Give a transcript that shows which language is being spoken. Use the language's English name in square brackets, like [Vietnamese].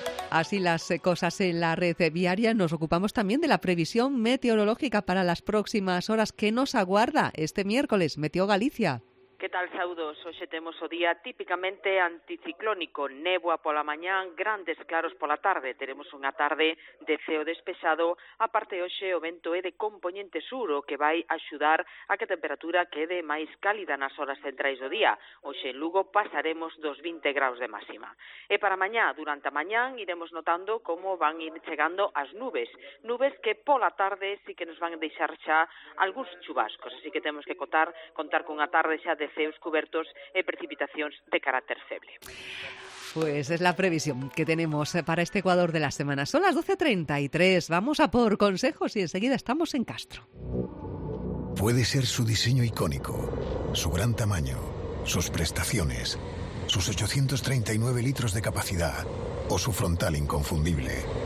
[Spanish] Así las cosas en la red viaria. Nos ocupamos también de la previsión meteorológica para las próximas horas. ¿Qué nos aguarda este miércoles, Meteo Galicia? ¿Qué tal? [Galician] Saudos. Hoxe temos o día típicamente anticiclónico. Néboa pola mañán, grandes claros pola tarde. Teremos unha tarde de ceo despexado. Aparte, hoxe o vento é de compoñente sur, o que vai axudar a que a temperatura quede máis cálida nas horas centrais do día. Hoxe en Lugo pasaremos dos 20 graus de máxima. E para mañá, durante a mañán, iremos notando como van ir chegando as nubes. Nubes que pola tarde sí que nos van deixar xa algúns chubascos. Así que temos que contar cunha tarde xa de ceos cubertos e precipitacións de carácter feble. [Spanish] Pues es la previsión que tenemos para este ecuador de la semana. Son las 12:33, vamos a por consejos y enseguida estamos en Castro. Puede ser su diseño icónico, su gran tamaño, sus prestaciones, sus 839 litros de capacidad o su frontal inconfundible.